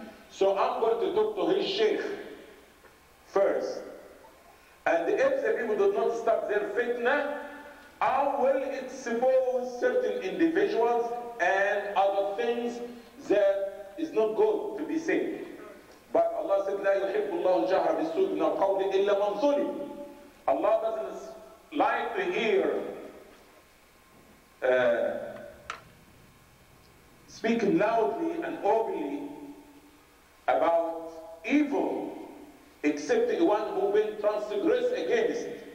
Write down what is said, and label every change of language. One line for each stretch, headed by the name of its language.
English: So I'm going to talk to his Sheikh first. And if the people do not stop their fitna, I will expose certain individuals and other things that is not good to be said. But Allah said,
Arabic: لا يحب الله جهر بالسوء من القول إلا من ظلم.
English: Allah doesn't like to hear speaking loudly and openly about evil, except the one who will transgress against.